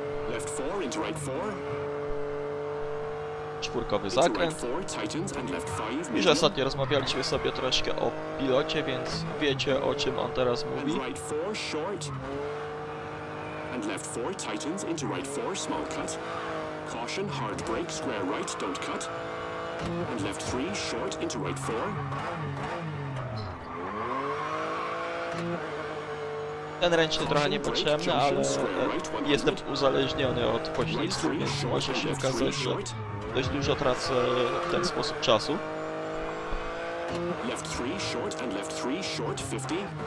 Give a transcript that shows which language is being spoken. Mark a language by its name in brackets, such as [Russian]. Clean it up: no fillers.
[English] Left 4, into right 4. [Polish] Czwórkowy zakręt. [English] Into right 4, tightens and left 5, medium. [Polish] Już ostatnio rozmawialiśmy sobie troszkę o pilocie, więc wiecie, o czym on teraz mówi. [English] And right 4, short. And left 4, tightens, into right 4, small cut. Caution, hard brake, square right, don't cut. And left 3, short, into right 4. [Polish] Ten ręczny trochę niepotrzebny, ale jestem uzależniony od pośliznu, więc może się okazać, że dość dużo tracę w ten sposób czasu. [English] Left 3, short, and left 3, short, 50.